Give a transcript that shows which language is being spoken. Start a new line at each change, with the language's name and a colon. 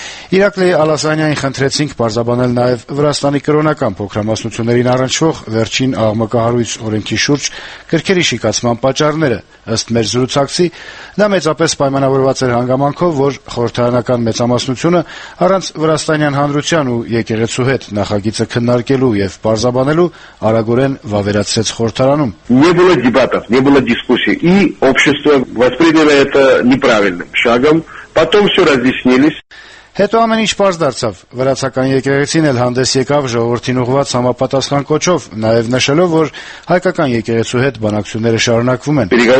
Armenian: Իրակլի Ալասանյանին խնդրեցինք պարզաբանել նաև Վրաստանի կրոնական փոքրամասնություններին առնչվող վերջին աղմկահարույց օրենքի շուրջ քրքերի շիկացման պատճառները։ Ըստ մեր զրուցակցի, նա մեծապես պայմանավորված էր հանգամանքով, որ խորհրդարանական մեծամասնությունը առանց Վրաստանյան հանրության ու եկեղեցու հետ նախագիծը քննարկելու և պարզաբանելու արագորեն վավերացրեց խորհրդարանում։
Russian: Не было дебатов, не было дискуссий, и общество восприняло это неправильным шагом, потом всё разъяснились.
Armenian: Հետո ամեն ինչ պարզ դարձավ, վրացական եկեղեցին էլ հանդես եկավ ժողովրդին ուղված համապատասխան կոչով, նաև նշելով, որ հայկական եկեղեցու հետ բանակցությունները շարունակվում են։